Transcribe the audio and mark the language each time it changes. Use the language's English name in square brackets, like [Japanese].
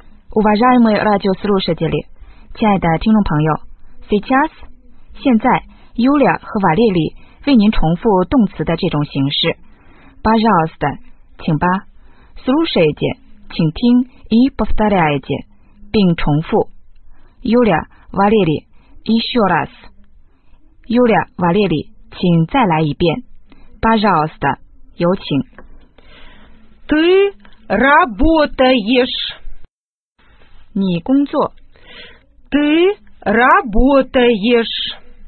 [Russian] Уважаемые радиослушатели， [Chinese] 亲爱的听众朋友， [Russian] сейчас， [Chinese] 现在 Юля 和瓦列里为您重复动词的这种形式。 [Russian] Пожалуйста， [Chinese] 请吧。 [Russian] Слушайте， [Chinese] 请听。 [Russian] И повторяйте， [Chinese] 并重复。 [Russian] Юля, Валерий, еще раз。 [Chinese] Юля, Валерий， 请再来一遍。 [Russian] Пожалуйста， [Chinese] 有请。 [Russian] Ты работаешь。 [Chinese] 你工作。 [Russian] Ты работаешь。